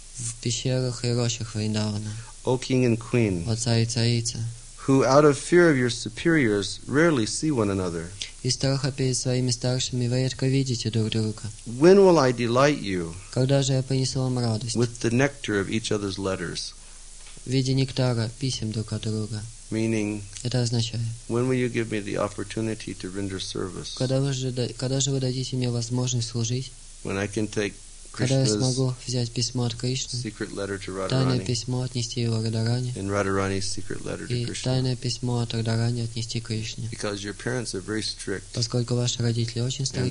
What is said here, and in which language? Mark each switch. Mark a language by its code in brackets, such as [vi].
[ru] В пещерах и рощах Вриндавана. [en] O king and queen. [ru] О царь и царица. [en] Who out of fear of your superiors rarely see one another. [ru] Из страха перед своими старшими вы редко видите друг друга. [en] When will I delight you? [ru] Когда же я принесу вам радость? [en] With the nectar of each other's letters. [ru] В виде нектара писем друг от друга. [en] Meaning. [ru] Это означает. [en] When will you give me the opportunity to render service? [ru] Когда же вы дадите мне возможность служить? [en] When I can take [ru] Когда я смогу взять письмо от Кришны, тайное письмо отнести его Радарани, [en] and Radharani's secret letter to Krishna. [ru] И тайное письмо от Радарани отнести Кришне. [en] Because your parents are very strict, [ru] поскольку ваши родители очень строги,